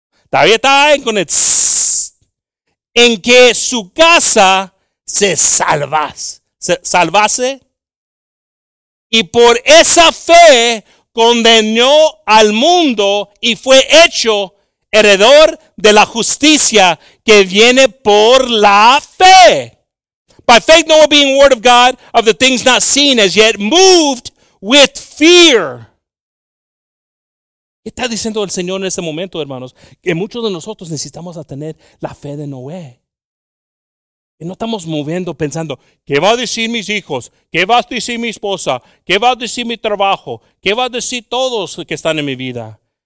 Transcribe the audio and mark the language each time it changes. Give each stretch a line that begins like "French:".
Spanish: Todavía está con el en que su casa se salvase. Y por esa fe condenó al mundo y fue hecho heredor de la justicia que viene por la fe.
English: By faith, Noah, being warned of God of the things not seen as yet, moved with fear.
Spanish: ¿Qué está diciendo el Señor en este momento, hermanos? Que muchos de nosotros necesitamos tener la fe de Noé. Y no estamos moviendo pensando, ¿qué va a decir mis hijos? ¿Qué va a decir mi esposa? ¿Qué va a decir mi trabajo? ¿Qué va a decir todos que están en mi vida?